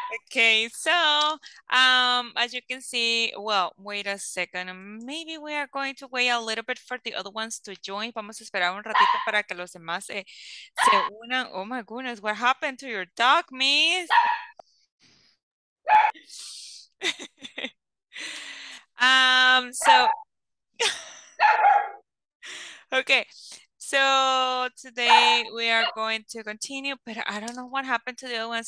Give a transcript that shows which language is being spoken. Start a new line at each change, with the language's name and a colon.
English: Okay, so as you can see, well, wait a second. Maybe we are going to wait a little bit for the other ones to join.
Spanish: Vamos a esperar un ratito para que los demás se unan.
English: Oh my goodness, what happened to your dog, miss? So okay. So today we are going to continue, but I don't know what happened to the other ones.